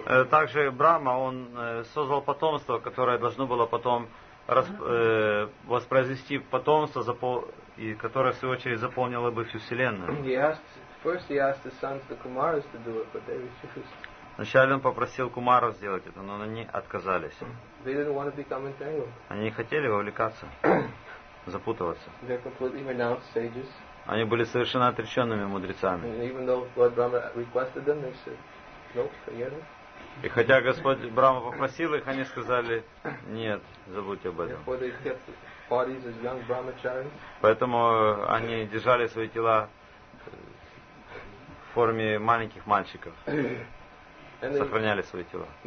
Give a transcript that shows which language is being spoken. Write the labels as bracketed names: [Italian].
[Russian] Также Брахма, он создал потомство, которое должно было потом воспроизвести потомство, и которое в свою очередь заполнило бы всю вселенную. [English] First he asked his sons, the Kumaras, to do it, but they refused. [Russian] Вначале он попросил Кумаров сделать это, но они отказались. [English] They didn't want to become entangled. [Russian] Они не хотели вовлекаться, запутываться. [English] They're completely renounced sages. [Russian] Они были совершенно отреченными мудрецами. [English] And even though Lord Brahma requested them, they said, nope, forget it. [Russian] И хотя Господь Брахма попросил их, они сказали, нет, забудьте об этом. [English] Therefore they kept bodies as young brahmacharis. [Russian] Поэтому они держали свои тела в форме маленьких мальчиков, сохраняли свои тела.